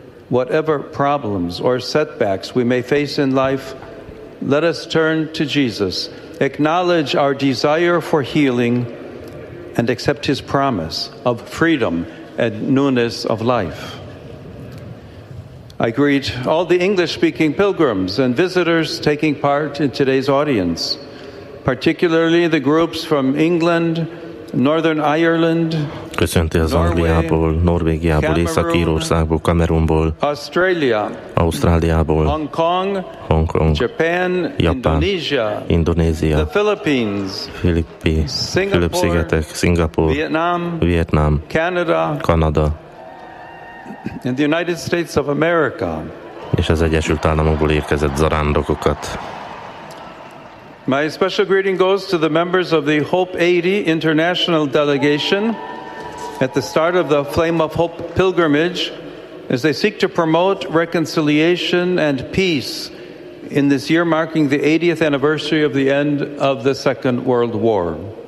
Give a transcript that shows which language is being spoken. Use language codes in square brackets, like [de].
[en] Whatever problems or setbacks we may face in life, let us turn to Jesus, acknowledge our desire for healing, and accept his promise of freedom and newness of life. I greet all the English-speaking pilgrims and visitors taking part in today's audience, particularly the groups from England, Northern Ireland, [hu] köszönti az Angliából, Norvégiából, Észak-Írországból, Kamerunból, Ausztráliából, Hong Kong, Japán, Indonézia, Filippi-szigetek, Szingapur, Vietnam, Kanada, [en] and the United States of America, [hu] és az Egyesült Államokból érkezett zarándokokat. [en] My special greeting goes to the members of the Hope 80 International Delegation at the start of the Flame of Hope pilgrimage as they seek to promote reconciliation and peace in this year marking the 80th anniversary of the end of the Second World War.